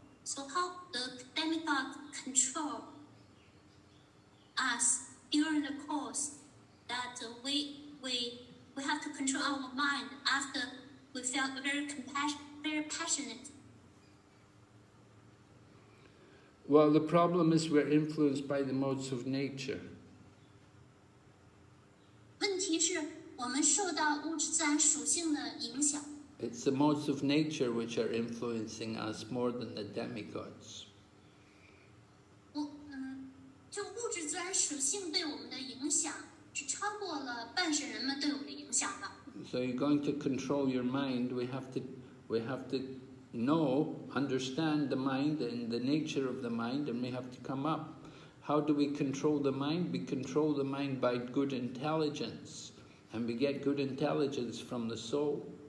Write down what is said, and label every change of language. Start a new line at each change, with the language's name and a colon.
English: So how the demigod control us during the course that we We have to control our mind after we felt very compassionate, very passionate. Well, the problem is we're influenced by the modes of nature.
Chinese: 问题是我们受到物质自然属性的影响。
English: It's the modes of nature which are influencing us more than the demigods.
Chinese: 就物质自然属性对我们的影响，是超过了半神人们对我们的影响了。
English: So you're going to control your mind. We have to know, understand the mind and the nature of the mind, and we have to come up. How do we control the mind? We control the mind by good intelligence, and we get good intelligence from the soul.